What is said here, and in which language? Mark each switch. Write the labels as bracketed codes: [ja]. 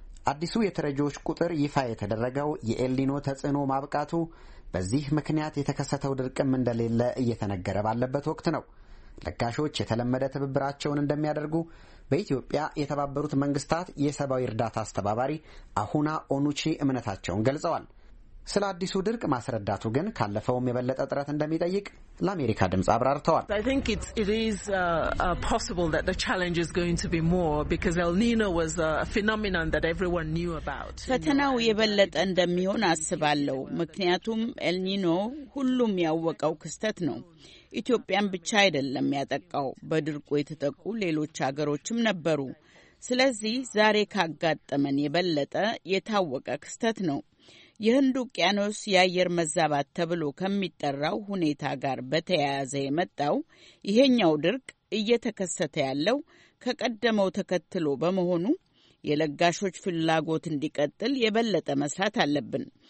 [am] አዲሱ የተረጂዎች ቁጥር ይፋ የተደረገው የኤልኒኖ ተጽዕኖ ማብቃቱ በዚህ ምክንያት የተከሰተው ድርቅም እንደሌለ እየተነገረ ባለበት ወቅት ነው። ለጋሾች የተለመደ ትብብራቸውን እንደሚያደርጉ በኢትዮጵያ የተባበሩት መንግስታት የሰብአዊ እርዳታ አስተባባሪ አሁና ኦኑቺ እምነታቸውን ገልጸዋል። ስለ አዲሱ ድርቅ ማስረዳቱ ግን ካለፈውም የበለጠ ጥረት እንደሚጠይቅ ለአሜሪካ ድምጽ አብራርተዋል። [en] I think it is possible that the challenge is going to be more because El Nino was a phenomenon that everyone knew about. [am] ፈተናው የበለጠ እንደሚሆን አስባለሁ ምክንያቱም El Nino ሁሉም ያወቀው ክስተት ነው። ኢትዮጵያን ብቻ አይደለም ያጠቃው በድርቁ የተጠቁ ሌሎች ሀገሮችም ነበሩ። ስለዚህ ዛሬ ካጋጠመን የበለጠ የታወቀ ክስተት ነው። የህንዱ ውቅያኖስ የአየር መዛባት ተብሎ ከሚጠራው ሁኔታ ጋር በተያያዘ የመጣው ይሄኛው ድርቅ እየተከሰተ ያለው ከቀደመው ተከትሎ በመሆኑ የለጋሾች ፍላጎት እንዲቀጥል የበለጠ መስራት አለብን።